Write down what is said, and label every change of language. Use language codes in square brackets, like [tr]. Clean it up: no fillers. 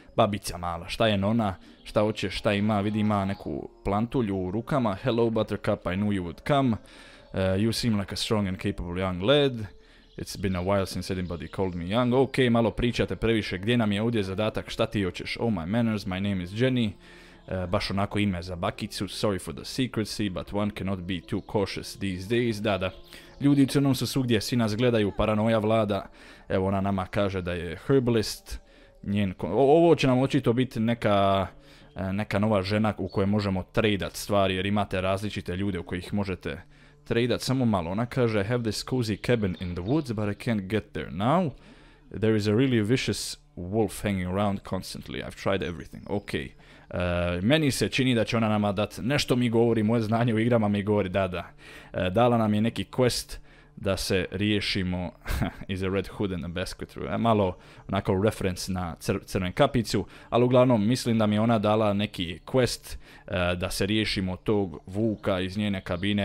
[hr] babica mala, šta je nona, šta hoće, šta ima, vidi ima neku plantulju u rukama. [en] Hello buttercup, I knew you would come. You seem like a strong and capable young lad. It's been a while since anybody called me young. [hr] Ok, malo pričate previše, gdje nam je ovdje zadatak, šta ti hoćeš? [en] Oh my manners, my name is Jenny. [hr] Baš onako ime za bakicu, [en] sorry for the secrecy, but one cannot be too cautious these days. [hr] Da, da. Ljudi u crnom su svugdje, svi nas gledaju, paranoja vlada. Evo ona nama kaže da je herbalist. Ovo će nam očito biti neka nova žena u kojoj možemo tradat stvari, jer imate različite ljude u kojih možete tradat. Samo malo, ona kaže, [en] I have this cozy cabin in the woods, but I can't get there now. There is a really vicious wolf hanging around constantly, I've tried everything. Okay. [hr] Meni se čini da će ona nama dati nešto, mi govori, moje znanje u igrama mi govori, da. Dala nam je neki quest da se riješimo iz Red Hood and the Basketru. Malo onako reference na crven kapicu, ali uglavnom mislim da mi je ona dala neki quest da se riješimo tog vuka iz njene kabine.